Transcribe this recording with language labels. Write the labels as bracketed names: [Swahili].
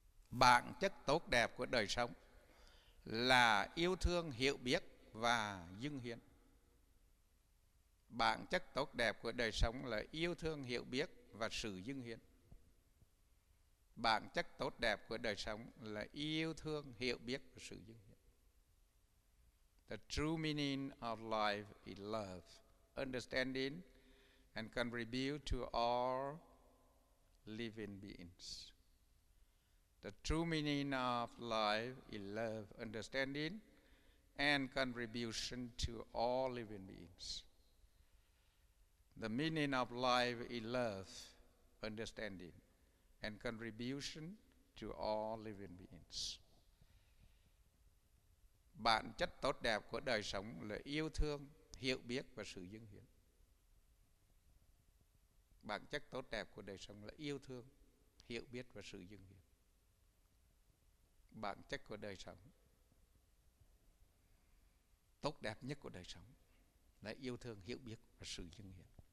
[Vietnamese] Bản chất tốt đẹp của đời sống là yêu thương, hiểu biết và dâng hiến. Bản chất tốt đẹp của đời sống là yêu thương, hiểu biết và sự dâng hiến. Bản chất tốt đẹp của đời sống là yêu thương, hiểu biết và sự dâng hiến. [English] The true meaning of life is love, understanding and contribute to all living beings. The true meaning of life is love, understanding and contribution to all living beings. The meaning of life is love, understanding and contribution to all living beings. [Vietnamese] Bản chất tốt đẹp của đời sống là yêu thương, hiểu biết và sự dâng hiến. Bản chất tốt đẹp của đời sống là yêu thương, hiểu biết và sự dâng hiến. Bản chất của đời sống tốt đẹp nhất của đời sống là yêu thương, hiểu biết và sự dâng hiến.